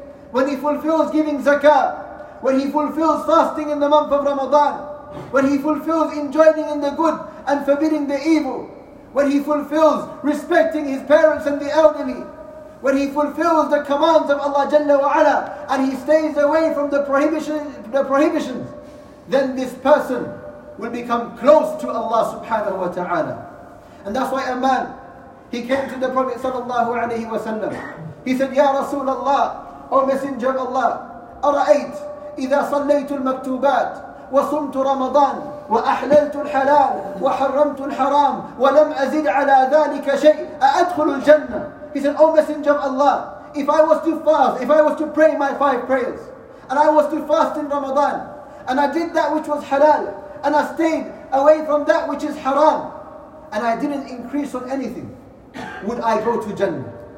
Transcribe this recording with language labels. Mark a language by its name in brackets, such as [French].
[English] when he fulfills giving zakah, when he fulfills fasting in the month of Ramadan, when he fulfills enjoining in the good and forbidding the evil, when he fulfills respecting his parents and the elderly, when he fulfills the commands of Allah Jalla wa'ala and he stays away from the prohibitions, then this person will become close to Allah subhanahu wa ta'ala. And that's why a man, he came to the Prophet sallallahu alayhi wa sallam. He said, Ya Rasul Allah, O Messenger of Allah, [Arabic] أرأيت إذا صليت المكتوبات وصمت رمضان وأحللت الحلال وحرمت الحرام ولم أزد على ذلك شيء أأدخل الجنة. [English] He said, O Messenger of Allah, if I was to fast, if I was to pray my five prayers, and I was to fast in Ramadan, and I did that which was halal, and I stayed away from that which is haram, and I didn't increase on anything, would I go to Jannah?